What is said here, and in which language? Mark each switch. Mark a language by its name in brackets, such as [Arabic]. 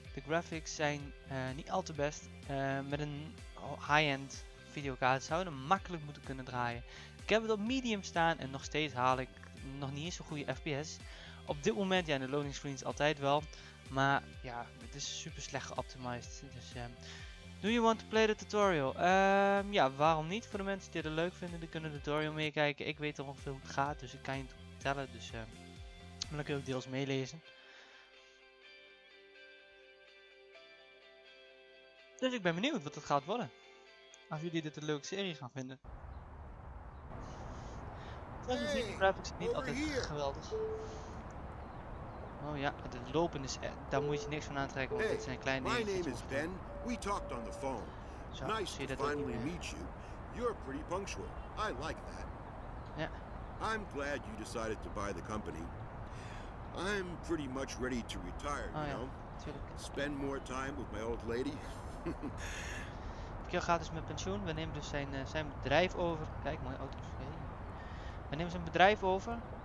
[Dutch] De graphics zijn niet al te best. Met een high-end videokaart zou je hem makkelijk moeten kunnen draaien. Ik heb het op medium staan en nog steeds haal ik nog niet eens zo'n goede FPS. Op dit moment, de loading screens altijd wel. Maar ja, het is super slecht geoptimized. [English] Dus, do you want to play the tutorial? [Dutch] Waarom niet? Voor de mensen die het leuk vinden, die kunnen de tutorial meekijken. Ik weet er ongeveer hoe het gaat, dus ik kan je het vertellen. Dus, dan kun je ook deels meelezen. Dus ik ben benieuwd wat het gaat worden. Als jullie dit een leuke serie gaan vinden. Hey, zoals je ziet, de graphics zijn niet altijd hier. Geweldig. Oh ja, het lopen is daar moet je niks van aantrekken, want het zijn kleine dingen. [English] My name is Ben. We talked on the phone. [Dutch] Zo, [English] nice [Dutch] zie [English] to finally meet you. You're pretty punctual. I like that. [Dutch] Ja. [English] I'm glad you decided to buy the company. I'm pretty much ready to retire, [Dutch] Tuurlijk. [English] Spend more time with my old lady. [Dutch] Kiel gaat dus met pensioen. We nemen dus zijn bedrijf over. Kijk, mooie auto's. Hey. We nemen zijn bedrijf over.